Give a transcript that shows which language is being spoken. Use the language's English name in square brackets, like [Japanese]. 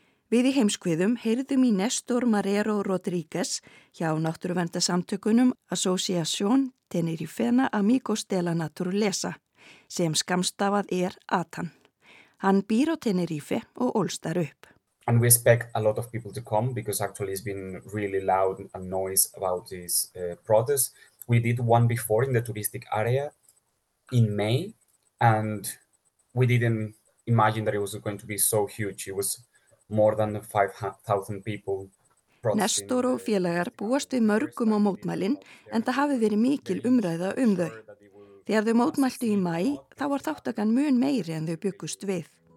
[Icelandic] Við í heimskviðum heyrðum í Nestor Marrero Rodríguez hjá náttúruverndasamtökunum Association Tenerifena Amigos de la Naturaleza sem skammstafað ATAN. Hann býr á Tenerife og ólst þar upp. [English] And we expect a lot of people to come because actually it's been really loud and noise about this protest. We did one before in the touristic area in May and we didn't imagine that it was going to be so huge. It was More than 5,000 people [Icelandic] Nestor og félagar búast við mörgum á mótmælin en það hafi verið mikil umræða þau. Þegar þau mótmæltu í maí, þá var þáttakan mun meiri en þau byggust við.